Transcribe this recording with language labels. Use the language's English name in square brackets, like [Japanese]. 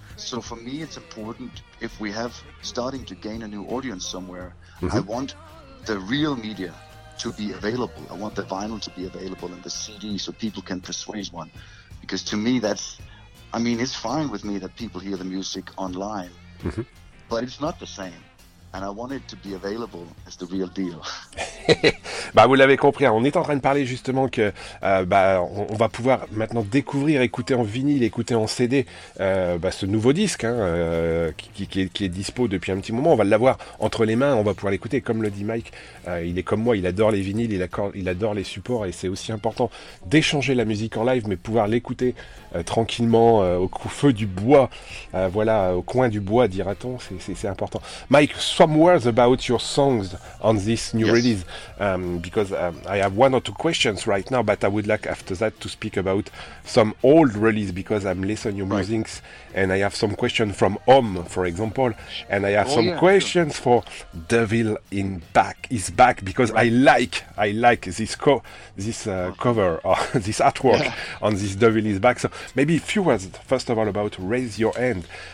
[English] So for me, it's important if we have starting to gain a new audience somewhere, I want the real media to be available. I want the vinyl to be available and the CD so people can persuade one. Because to me, it's fine with me that people hear the music online, but it's not the same. And I want it to be available as the real deal. [French] Bah, vous l'avez compris, hein. On est en train de parler justement que on va pouvoir maintenant découvrir, écouter en vinyle, écouter en CD ce nouveau disque qui est dispo depuis un petit moment. On va l'avoir entre les mains, on va pouvoir l'écouter. Comme le dit Mike, il est comme moi, il adore les vinyles, il adore les supports, et c'est aussi important d'échanger la musique en live, mais pouvoir l'écouter tranquillement au feu du bois, au coin du bois, dira-t-on, c'est important. [English] Mike, some words about your songs on this new release, because I have one or two questions right now, but I would like after that to speak about some old release, because I'm listening to your musings, and I have some questions from Home, for example, and I have questions for Devil in Back is Back, because I like this cover or this artwork on this Devil is Back. So maybe a few words first of all about Raise Your Hand.